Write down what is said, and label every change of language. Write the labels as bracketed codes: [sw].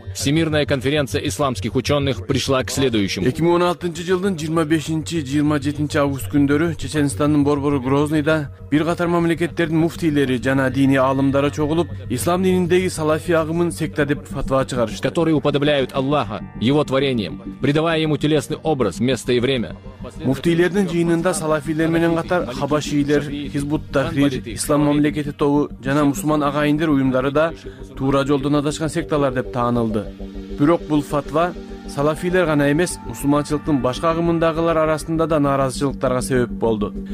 [ru] Всемирная конференция исламских учёных пришла к следующему. [ky] 2016 жылдын 25-27 август күндөрү Чеченстандын борбору Грозныйда бир катар мамлекеттердин муфтийлери жана диний аалымдары чогулуп, ислам дининдеги салафи агымын секта деп фатва чыгарышты. [ru] Которые уподобляют Аллаха его творением, придавая ему телесный образ, место и время. [ky] Муфтийлердин жыйынында салафилер менен катар хабашилер, Хизбут Тахрир, Ислам мамлекети тобу жана мусулман агайындар уюмдары да туура жолдон адашкан секталар деп таанылды. Бирок бул фатва салафилер гана эмес, мусулманчылыктын башка агымындагылар арасында да нааразычылыктарга себеп болду.